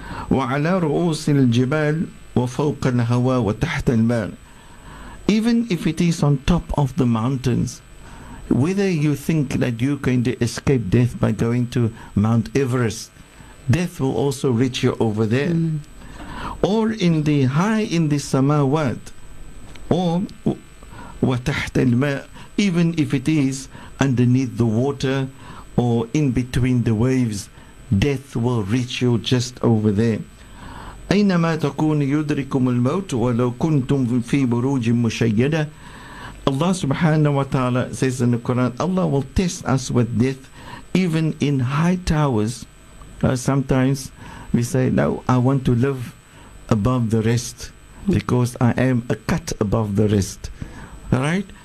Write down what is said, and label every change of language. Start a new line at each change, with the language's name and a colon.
Arabic: Wa ala ru'us al-jibal.
English: Even if it is on top of the mountains, whether you think that you are going to escape death by going to Mount Everest, death will also reach you over there. Mm. Or in the high in the samawat, or even if it is underneath the water or in between the waves, death will reach you just over there.
Arabic: أينما تكون يدركم الموت ولو كنتم في بروج مشيدة.
English: Allah subhanahu wa ta'ala says in the Quran, Allah will test us with death even in high towers. Sometimes we say, no, I want to live above the rest because I am a cut above the rest. Right?